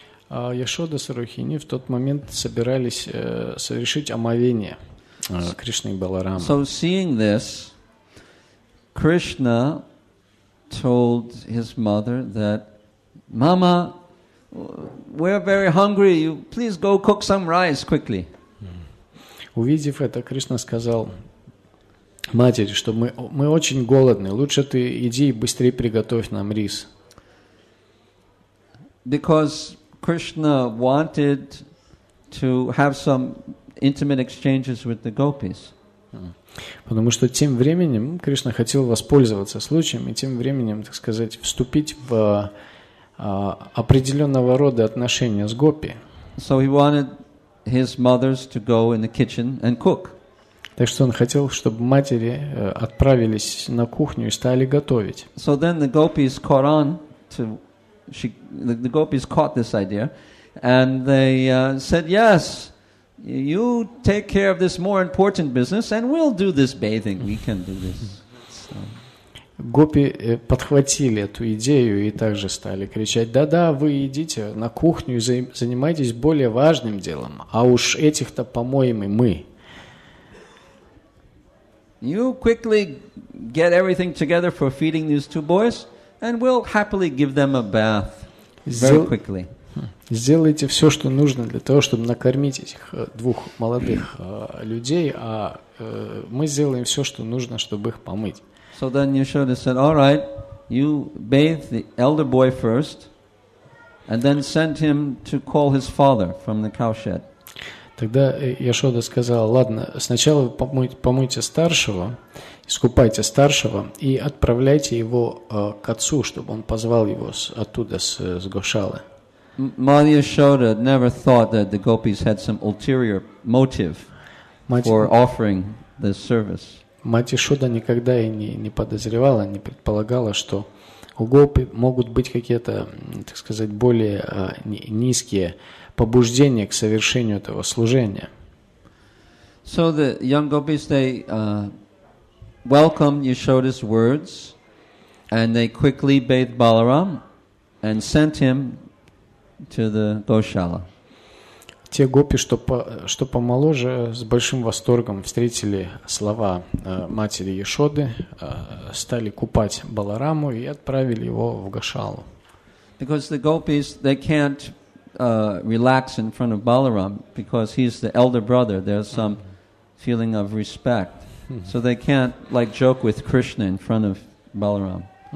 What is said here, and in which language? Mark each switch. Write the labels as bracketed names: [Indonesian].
[Russian] Яшода с Рухини в тот момент собирались совершить омовение Кришны и Баларамы. [English] So seeing this, Krishna told his mother that, "Mama, we're very hungry. You please go cook some rice quickly." [Russian] Увидев это, Кришна сказал матери, что мы очень голодны. Лучше ты иди и быстрее приготовь нам рис. [English] Because Krishna wanted to have some intimate exchanges with the gopis. [Russian] Потому что тем временем Кришна хотел воспользоваться случаем и тем временем, так сказать, вступить в определенного рода отношения с гопи. [English] So he wanted his mothers to go in the kitchen and cook. [Russian] Так что он хотел, чтобы матери отправились на кухню и стали готовить. [English] So then the gopis caught on to the gopis caught this idea, and they said, "Yes, you take care of this more important business, and we'll do this bathing. We can do this." [Russian] Гопи подхватили эту идею и также стали кричать: "Да-да, вы идите на кухню и занимайтесь более важным делом, а уж этих-то помоем и мы." [English] You quickly get everything together for feeding these two boys. And we'll happily give them a bath very quickly. [Russian] Сделайте все, что нужно для того, чтобы накормить этих двух молодых людей, а мы сделаем все, что нужно, чтобы их помыть. [English] So then Yashoda said, "All right, you bathe the elder boy first, and then send him to call his father from the cowshed." [Russian] Тогда Яшода сказала: "Ладно, сначала вы помойте старшего, искупайте старшего и отправляйте его к отцу, чтобы он позвал его оттуда, с Гошалы." Мать Яшоды [English] never thought that the gopis had some ulterior motive for offering this service. [Russian] Мать Яшода никогда и не подозревала, не предполагала, что у гопи могут быть какие-то, так сказать, более низкие побуждение к совершению этого служения. [English] So the young gopis, they welcomed Yashoda's words, and they quickly bathed Balaram and sent him to the Goshala. [Russian] Те гопи, что помоложе, с большим восторгом встретили слова матери Яшоды, стали купать Балараму и отправили его в Гошалу. [English] Because the gopis, they can't relax in front of Balaram because he's the elder brother. There's some feeling of respect. So they can't like joke with Krishna in front of Balaram.